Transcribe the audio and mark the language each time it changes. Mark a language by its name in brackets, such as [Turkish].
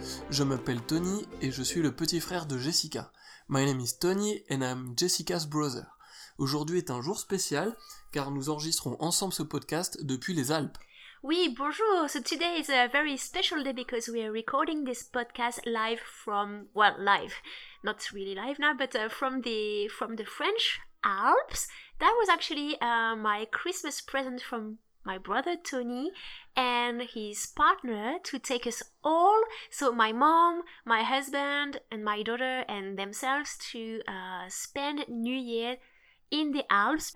[French] Je m'appelle Tony et je suis le petit frère de Jessica. [English] My name is Tony and I'm Jessica's brother. [French] Aujourd'hui est un jour spécial car nous enregistrons ensemble ce podcast depuis les Alpes. Oui, bonjour. [English] So today is a very special day because we are recording this podcast live from, well, live. Not really live now, but from the French Alps. That was actually my Christmas present from my brother Tony and his partner to take us all, so my mom, my husband and my daughter and themselves, to spend New Year in the Alps.